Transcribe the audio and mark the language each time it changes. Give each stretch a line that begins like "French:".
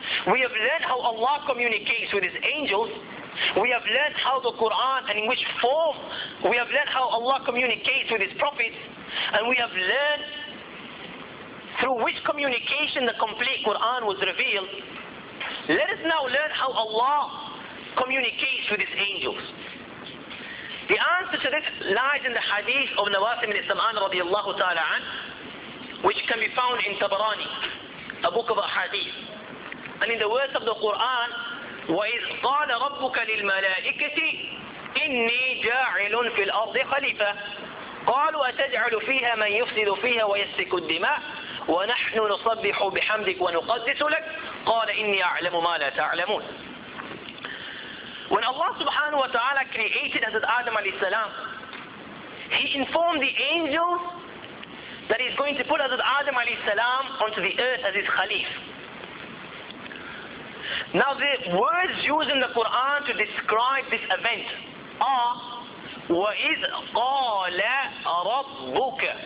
English: We have learned how Allah communicates with his angels. We have learned how the Quran, and in which form we have learned how Allah communicates with his prophets, and we have learned through which communication the complete Quran was revealed. Let us now learn how Allah communicates with his angels. The answer to this lies in the hadith of Nawasim ibn Sam'an radiallahu ta'ala an, which can be found in Tabarani, a book of a hadith. And in the words of the Quran,
Arabic: وَإِذْ قَالَ رَبُّكَ لِلْمَلَائِكَةِ إِنِّي جَاعِلٌ فِي الْأَرْضِ خَلِيفَةً قَالُوا أَتَجْعَلُ فِيهَا مَنْ يُفْسِدُ فِيهَا وَيَسْفِكُ الدِّمَاءَ وَنَحْنُ نُصَبِّحُ بِحَمْدِكَ وَنُقَدِّسُ لَكَ قَالَ إِنِّي أَعْلَمُ مَا لَا تَعْلَمُونَ.
English: When Allah subhanahu wa ta'ala created Hazrat Adam alayhi salam, he informed the angels that he's going to put Hazrat Adam alayhi salam onto the earth as his khalif. Now the words used in the Quran to describe this event are
Arabic: وَإِذْ قَالَ رَبُّكَ.